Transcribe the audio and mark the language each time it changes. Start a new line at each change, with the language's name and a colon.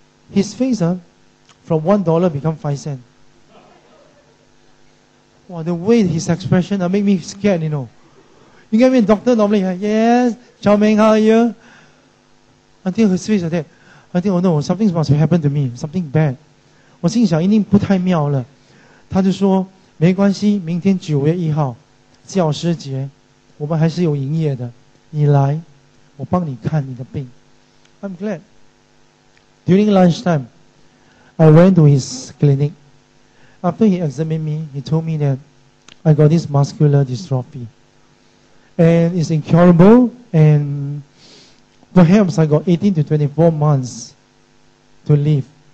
English: His face, from $1 become 5 cents. Wow, the way his expression make me scared, you know. You get me, doctor normally, yes, Chow Meng, how are you? Until his face like that. I think, oh no, something must have happened to me. Something bad.
Chinese: 我心想,一定不太妙了。他就说,没关系,明天9月1号,教师节,我们还是有营业的,你来,我帮你看你的病。
English: I'm glad. During lunchtime, I went to his clinic. After he examined me, he told me that I got this muscular dystrophy. And it's incurable, and perhaps I got 18 to 24 months to live.